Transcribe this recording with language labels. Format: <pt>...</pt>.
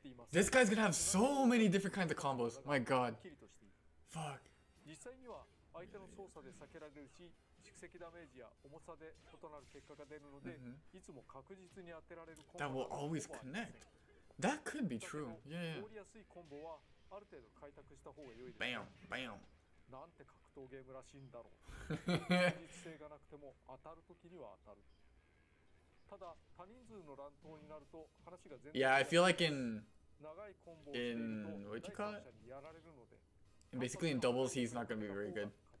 <en>This guy's gonna have so many different kinds of combos. My god. Fuck.</en> <ja>相手の操作で避けられるし、蓄積ダメージや重さで異なる結果が出るので、mm-hmm. いつも確実に当てられるコンボ。</ja> <en>That will always connect. That could be true. Yeah.</en> <ja>通りやすいコンボはある程度開拓した方が良いです。</ja> <en>Bam, bam.</en> <ja>なんて格闘ゲームらしいんだろう。実性がなくても当たる時には当たる。ただ多人数の乱闘になると話が全然。</ja> <en>Yeah, I feel like in what you call it?</en> <ja>やられるので。</ja> <en>And basically, in doubles, he's not going to be very good.</en>